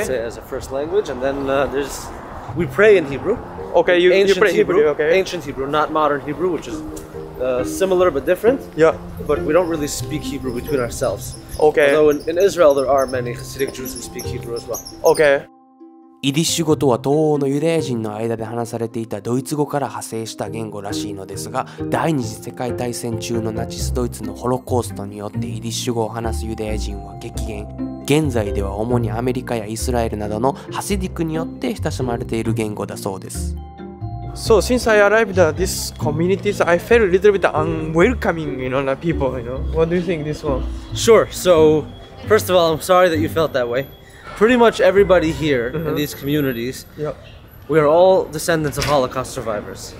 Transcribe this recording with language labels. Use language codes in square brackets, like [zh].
[en] I'd say, as a first language. And then we pray in Hebrew. Okay, you pray Hebrew, okay. Ancient Hebrew, not modern Hebrew, which is... similar but different. Yeah. But we don't really speak Hebrew between ourselves. Okay. Although in Israel there are many Hasidic Jews who speak Hebrew as well. Okay. [ja] イディッシュ語とは東欧のユダヤ人の間で話されていたドイツ語から派生した言語らしいのですが、第二次世界大戦中のナチスドイツのホロコーストによってイディッシュ語を話すユダヤ人は激減。現在では主にアメリカやイスラエルなどのハシディックによって親しまれている言語だそうです。 [en] So since I arrived at this community, I felt a little bit unwelcoming, you know, the people, you know. What do you think this one? Sure. So, first of all, I'm sorry that you felt that way. Pretty much everybody here, mm-hmm. in these communities, yep. we are all descendants of Holocaust survivors.